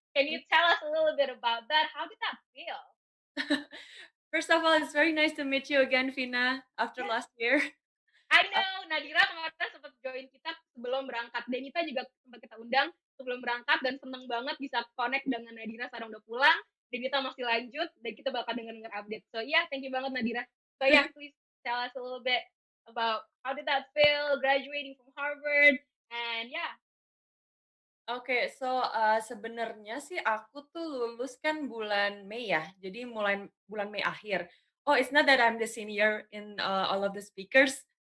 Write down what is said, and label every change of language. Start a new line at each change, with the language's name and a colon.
English: Can you tell us a little bit about that? How did that feel? First of all, it's very nice to meet you again, Vina, after last year. I know,
Indonesian: Nadira kemarin sempat join kita sebelum berangkat. Denita juga sempat kita undang sebelum berangkat dan seneng banget bisa connect dengan Nadira sekarang udah pulang. Denita masih lanjut dan kita bakal denger update.
English: So yeah, thank you
Indonesian: banget Nadira.
English: So yeah, please tell us a little bit about how did that feel graduating from Harvard and yeah.
Indonesian: Okay, so sebenarnya sih aku tuh lulus kan bulan Mei ya. Jadi mulai bulan Mei akhir.
English: Oh, it's not that I'm the senior in all of the speakers.